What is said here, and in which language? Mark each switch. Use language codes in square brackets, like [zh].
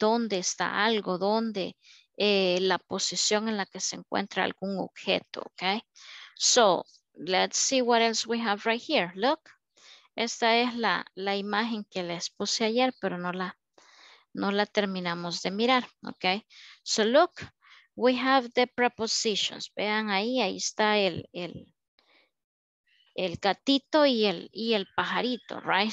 [es] ¿Dónde está algo? ¿Dónde? La posición en la que se encuentra algún objeto, okay? [en] So, let's see what else we have right here. [es] Look, esta es la imagen que les puse ayer, pero no la terminamos de mirar, okay? [en] So, look, we have the prepositions. [es] Vean ahí está el gatito y el pajarito, right?